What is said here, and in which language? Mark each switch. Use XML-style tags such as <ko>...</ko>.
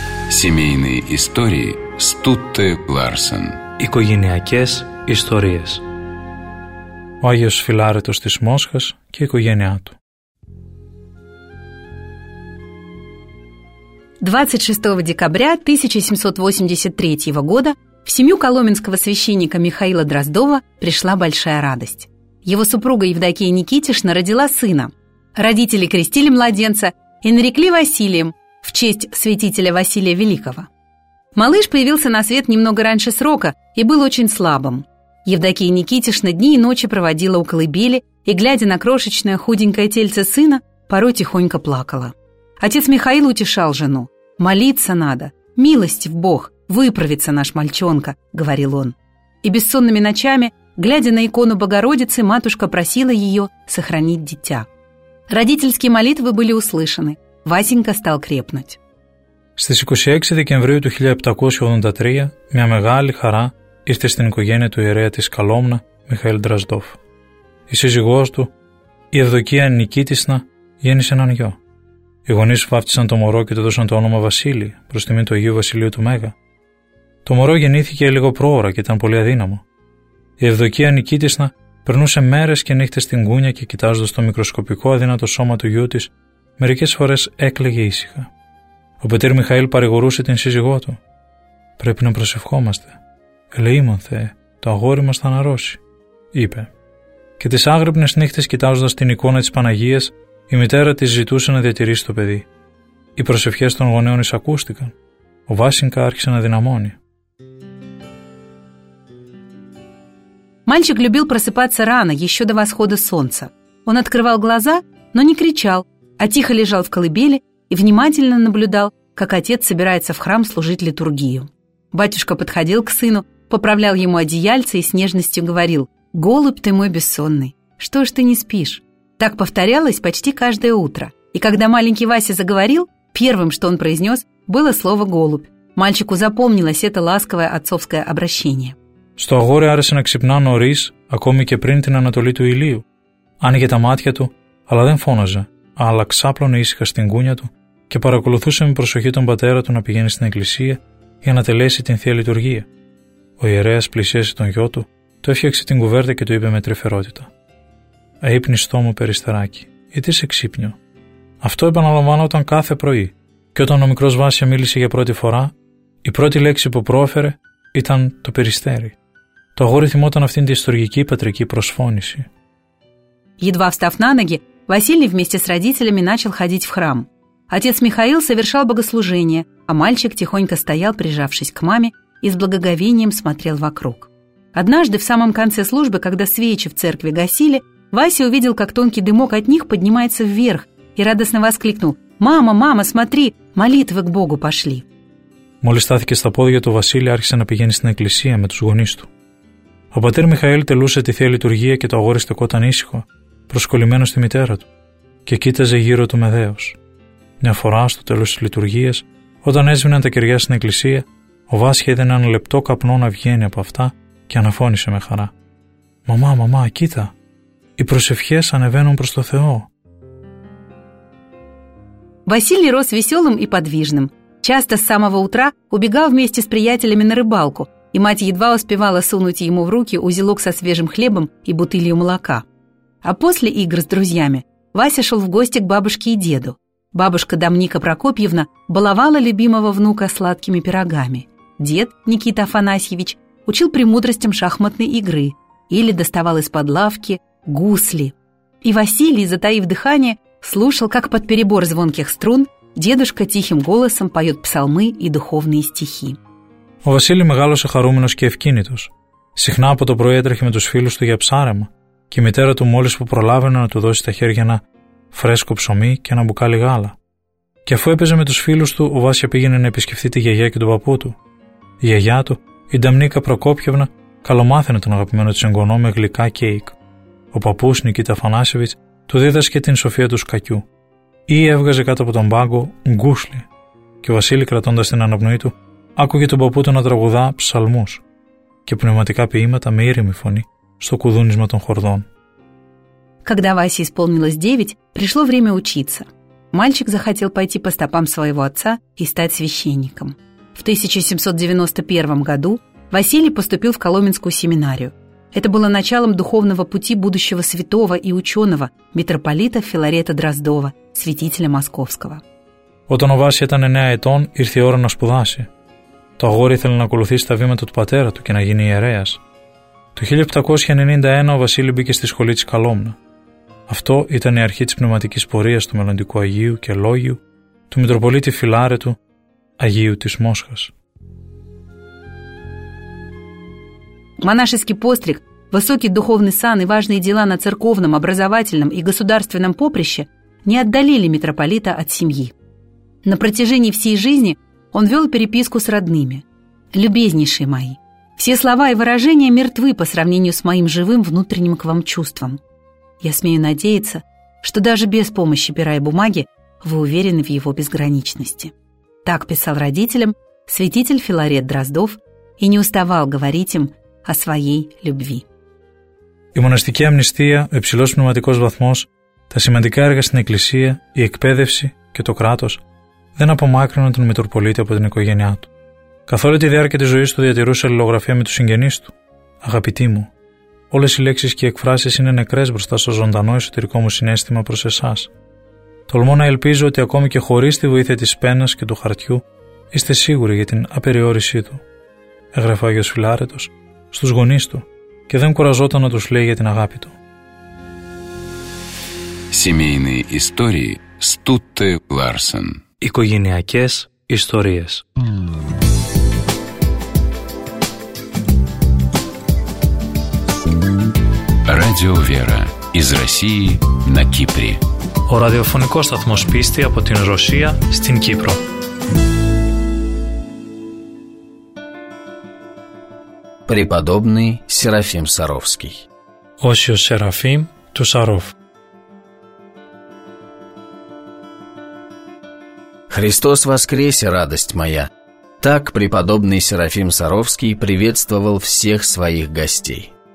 <ru>Семейные истории Стутте Ларсен.</ru> <el>Οικογενειακές ιστορίες. Ο Άγιος Φιλάρετος της Μόσχας και η οικογένειά του.</el> <ru>26 декабря 1783 года в семью коломенского священника Михаила Дроздова пришла большая радость. Его супруга Евдокия Никитишна родила сына. Родители крестили младенца и нарекли Василием в честь святителя Василия Великого. Малыш появился на свет немного раньше срока и был очень слабым. Евдокия Никитишна дни и ночи проводила у колыбели и, глядя на крошечное худенькое тельце сына, порой тихонько плакала. Отец Михаил утешал жену. «Молиться надо, милость в Бог, выправится наш мальчонка», — говорил он. И бессонными ночами, глядя на икону Богородицы, матушка просила ее сохранить дитя. Родительские молитвы были услышаны. Васенька стал крепнуть.</ru> <el>Στις 26</el> <ru>декабря</ru> <el>1783 мя мегάλη хара ήρθε στην οικογένεια του ιερέα της Καλόμνα, Μιχαήλ Δραζδόφ. Η σύζυγός του, η Ευδοκία Νικήτισνα, γέννησε έναν γιο. Οι γονείς βάφτισαν το μωρό και του δώσαν το όνομα Βασίλη, προς τιμή του Αγίου Βασιλείου του Μέγα. Το μωρό γεννήθηκε λίγο πρόωρα και ήταν πολύ αδύναμο. Η Ευδοκία Νικήτισνα περνούσε μέρες και νύχτες στην κούνια και κοιτάζοντας το μικροσκοπικό αδύνατο σώμα του γιού της, μερικές φορές έκλαιγε ήσυχα. Ο πατήρ Μιχαήλ παρηγορούσε την σύζυγό του. Πρέπει να προσευχόμαστε. «Ελεήμον Θεέ, το αγόρι μας θα αναρρώσει», είπε. Και τις άγρυπνες νύχτες κοιτάζοντας την εικόνα της Παναγίας, η μητέρα της ζητούσε να διατηρήσει το παιδί. Οι προσευχές των γονέων εισακούστηκαν. Ο Βάσινκα άρχισε να δυναμώνει.</el> <ru>Мальчик любил просыпаться рано, еще до восхода солнца. Он открывал глаза, но не кричал, а тихо лежал в колыбели и внимательно наблюдал, как отец собирается в храм служить литургию. Батюшка подходил к сыну, поправлял ему одеяльце и с нежностью говорил: «Голубь ты мой бессонный, что ж ты не спишь?» Так повторялось почти каждое утро. И когда маленький Вася заговорил, первым, что он произнес, было слово «голубь». Мальчику запомнилось это ласковое отцовское обращение.</ru> <el>Στο αγόρι άρεσε να ξυπνά νωρίς, ακόμη και πριν την ανατολή του ηλίου. Άνοιγε τα μάτια του, αλλά δεν φώναζε, αλλά ξάπλωνε ήσυχα στην κούνια του και παρακολουθούσε με προσοχή τον πατέρα του να πηγαίνει στην εκκλησία για να τελέσει την θεία λειτουργία. Ο ιερέας πλησίασε τον γιο του, το έφτιαξε την κουβέρτα και του είπε με τρυφερότητα: «Αείπνιστό μου περιστεράκι, γιατί σε ξύπνιο?» Αυτό επαναλαμβάνονταν κάθε πρωί. Και όταν ο μικρός Βάσια μίλησε για πρώτη φορά, η πρώτη λέξη που πρόφερε ήταν το περιστέρι. Το αγόρι θυμόταν αυτήν τη ιστορική πατρική προσφώνηση.</el> <ru>Едва встав на ноги, Василий вместе с родителями начал ходить в храм. Отец Михаил совершал богослужение, а мальчик тихонько стоял, прижавшись к маме, и с благоговением смотрел вокруг. Однажды, в самом конце службы, когда свечи в церкви гасили, Вася увидел, как тонкий дымок от них поднимается вверх, и радостно воскликнул: «Мама, мама, смотри, молитвы к Богу пошли!»</ru> <el>Μόλις στάθηκε στα πόδια του, Βασίλη άρχισε να πηγαίνει στην εκκλησία με τους γονείς του. Ο πατήρ Μιχαήλ τελούσε τη θεία λειτουργία και το αγόρι στεκόταν ήσυχο, προσκολλημένο στη μητέρα του, και κοίταζε γύρω του με δέος. Μια φορά, στο τέλος της λειτουργίας, όταν έσβηναν τα κεριά στην εκκλησία, ο Βάσια είδε έναν λεπτό καπνό να βγαίνει από αυτά και αναφώνησε με χαρά: «Μαμά, μαμά, κοίτα! Οι προσευχές ανεβαίνουν προς το Θεό!»</el> <ru>Βασίλη рос веселым и подвижным. Часто с самого утра убегал вместе с приятелями на рыбалку, и мать едва успевала сунуть ему в руки узелок со свежим хлебом и бутылью молока. А после игр с друзьями Вася шел в гости к бабушке и деду. Бабушка Домника Прокопьевна баловала любимого внука сладкими пирогами. Дед, Никита Афанасьевич, учил премудростям шахматной игры или доставал из-под лавки гусли. И Василий, затаив дыхание, слушал, как под перебор звонких струн дедушка тихим голосом поет псалмы и духовные стихи.</ru> <el>Ο Βασίλη μεγάλωσε χαρούμενος και ευκίνητος. Συχνά από το πρωί έτρεχε με τους φίλους του για ψάρεμα και η μητέρα του μόλις που προλάβαινε να του δώσει στα χέρια ένα φρέσκο ψωμί και ένα μπουκάλι γάλα. Και αφού έπαιζε με τους φίλους του, ο Βάσια πήγαινε να επισκεφθεί τη γιαγιά και τον παππού του. Η γιαγιά του, η Νταμνίκα Προκόπιευνα, καλομάθαινε τον αγαπημένο της εγγονό με γλυκά κέικ. Ο παππούς, Νικήτα Αφανάσεβιτς, του δίδασκε την σοφία του σκακιού. Ή έβγαζε κάτω από τον πάγκο γκούσλι. Και ο Βασίλη, κρατώντας την αναπνοή του, άκουγε τον παππού του να τραγουδά ψαλμούς και πνευματικά ποίηματα με ήρεμη φωνή στο κουδούνισμα των χορδών.</el> <ru>Когда Васе исполнилось 9, пришло время учиться. Мальчик захотел пойти по стопам своего отца и стать священником. В 1791 году Василий поступил в Коломенскую семинарию. Это было началом духовного пути будущего святого и ученого, митрополита Филарета Дроздова, святителя московского.</ru> <el>Όταν ο Βάση ήταν 9 ετών, ήρθε η ώρα να σπουδάσει. Το αγόρι ήθελε να ακολουθήσει τα βήματα του πατέρα του και να γίνει ιερέας. Το 1791 ο Βασίλη μπήκε στη σχολή της Καλόμνα. Αυτό ήταν η αρχή της πνευματικής πορείας του μελλοντικού Αγίου και Λόγιου, του Μητροπολίτη Φιλάρετου, Αγίου της Μόσχας.</el> <ru>Монашеский постриг, высокий духовный сан и важные дела на церковном, образовательном и государственном поприще не отдалили митрополита от семьи. На протяжении всей жизни он вел переписку с родными: «Любезнейшие мои, все слова и выражения мертвы по сравнению с моим живым внутренним к вам чувством. Я смею надеяться, что даже без помощи пера и бумаги вы уверены в его безграничности». Так писал родителям святитель Филарет Дроздов и не уставал говорить им о своей любви.</ru> <el>Η μοναστική αμνηστία, ο υψηλός πνευματικός βαθμός, τα σημαντικά έργα στην Εκκλησία, η εκπαίδευση και το κράτος δεν απομάκρυναν τον Μητροπολίτη από την οικογένειά του. Καθ' όλη τη διάρκεια της ζωής του διατηρούσε αλληλογραφία με τους συγγενείς του. «Αγαπητοί μου, όλες οι λέξεις και οι εκφράσεις είναι νεκρές μπροστά στο ζωντανό εσωτερικό μου συνέστημα προς εσάς. Τολμώ να ελπίζω ότι ακόμη και χωρίς τη βοήθεια της πένας και του χαρτιού είστε σίγουροι για την απεριόρησή του», έγραφε ο Άγιος Φιλάρετος στους γονείς του και δεν κουραζόταν να τους λέει για την αγάπη του.</el> <ru>Семейные истории Стутте Ларсен.</ru> <el>Οικογενειακές ιστορίες.</el> <ru>Радио Вера из России на Кипре.</ru> <el>Ο ραδιοφωνικός σταθμός Πίστη από την Ρωσία στην Κύπρο.</el> <ru>преподобный Серафим Саровский.</ru> <el>Осио Серафим Тусаров.</el> <ru>Христос воскресе, радость моя! Так преподобный Серафим Саровский приветствовал всех своих гостей.</ru>